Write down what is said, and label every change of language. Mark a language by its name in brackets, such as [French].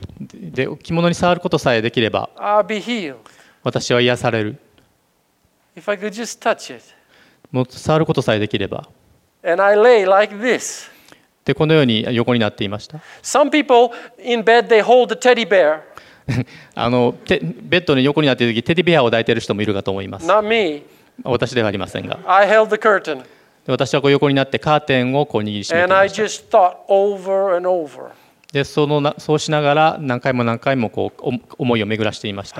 [Japanese] で着物に触ることさえできれば [English] I'll be healed. [Japanese] 私は癒される。 [English] If I could just touch it. [Japanese] もう触ることさえできれば [English] And I lay like this. [Japanese] でこのように横になっていました。 [English] Some people in bed, they hold a teddy bear. [Japanese] ベッドの横になっている時テディベアを抱いている人もいるかと思います。 [English] Not me. [Japanese] 私ではありませんが。 [English] I held the curtain. [Japanese] 私はこう横になってカーテンをこう握りしめていました。 [English] And I just thought over and over. [Japanese] でそうしながら何回も何回もこう思いを巡らしていました。